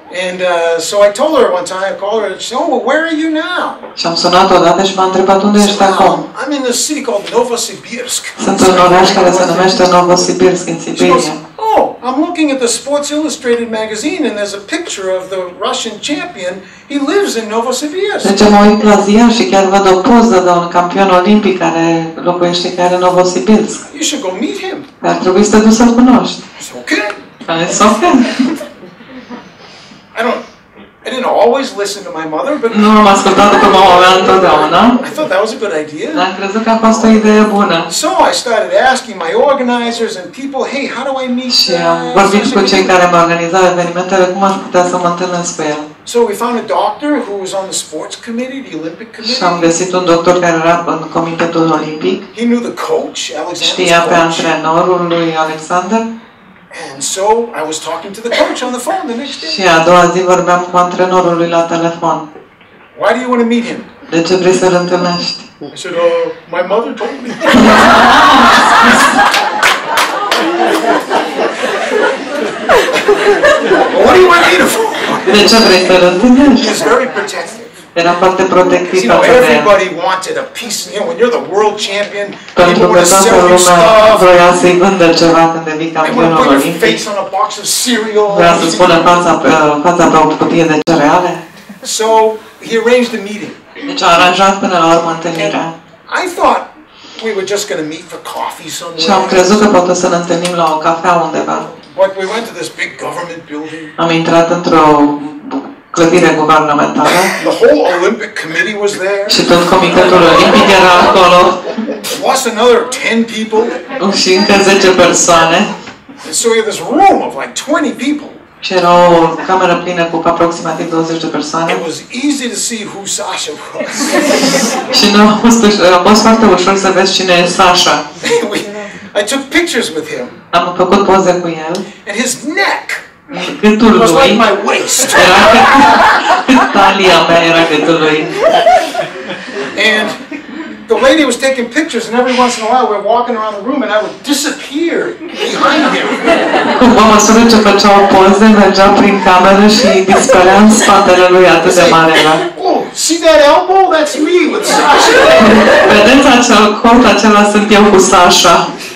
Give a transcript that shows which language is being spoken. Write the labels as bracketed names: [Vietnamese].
[English] And so I told her one time, I called her, she said, oh, where are you now? [Romanian] Și am sunat odată și m-a întrebat, unde ești acum? [English] I'm in a city called Novosibirsk. [Romanian] Sunt în oraș care se numește Novosibirsk în Siberia. [English] Oh, I'm looking at the Sports Illustrated magazine and there's a picture of the Russian champion. He lives in Novosibirsk. [Romanian] Deci mă uit la ziar și chiar văd o poză de un campion olimpic care locuiește chiar în Novosibirsk. [English] You should go meet him. [Romanian] Ar trebui să te duci să-l cunoști. [English] It's okay. It's okay. I didn't always listen to my mother, but [Romanian] nu am ascultat pe mama mea întotdeauna. [English] I thought that was a good idea. [Romanian] Am crezut că a fost o idee bună. [English] So I started asking my organizers and people, hey, how do I meet? [Romanian] Și am vorbit cu cei care mă organizau evenimentele, cum aș putea să mă întâlnesc pe el. [English] So we found a doctor who was on the sports committee, the Olympic committee. [Romanian] Și am găsit un doctor care era în comitetul olimpic. [English] He knew the coach, Alexander. [Romanian] Știa pe antrenorul lui Alexander. [English] And so I was talking to the coach on the phone the next day. [Romanian] Și a doua zi vorbeam cu antrenorul lui la telefon. [English] Why do you want to meet him? [Romanian] De ce vrei să-l întâlnești? [English] I said, my mother told me. Well, what do you want to meet him for? [Romanian] De ce vrei să-l întâlnești? [English] He's very protective. [Romanian] Era foarte protectiv pentru el. [English] Everybody wanted a piece, you know, when you're the world champion, [Romanian] pentru [English] people want to sell your stuff. [Romanian] Vreau să-i vândă ceva când devii campion olimpic. Vreau să-ți pună fața pe o cutie de cereale. [English] So, he arranged a meeting. [Romanian] Deci a aranjat până la urmă întâlnirea. [English] I thought we were just going to meet for coffee somewhere. [Romanian] Și am crezut că poate să ne întâlnim la o cafea undeva. [English] But we went to this big government building. [Romanian] Am intrat într-o clădire guvernamentală. [English] The whole Olympic committee was there. [Romanian] Și tot comitetul olimpic era acolo. [English] Plus another 10 people. [Romanian] Și încă 10 persoane. [English] So we had this room of like 20 people. [Romanian] Și era o cameră plină cu aproximativ 20 de persoane. [English] It was easy to see who Sasha was. [Romanian] Și nu a fost foarte ușor să vezi cine e Sasha. [English] I took pictures with him. [Romanian] Am făcut poze cu el. [English] And his neck. [Romanian] Gâtul lui, [English] was like my waist. [Romanian] Era, talia mea era gâtul lui. [English] And the lady was taking pictures and every once in a while we're walking around the room and I would disappear behind him. [Romanian] Mama sună ce făcea o poză, mergea prin cameră și dispărea în spatele lui, atât de mare era. [English] Oh, see that elbow? That's me with Sasha. [Romanian] Vedeți acel colț, acela sunt eu cu Sasha.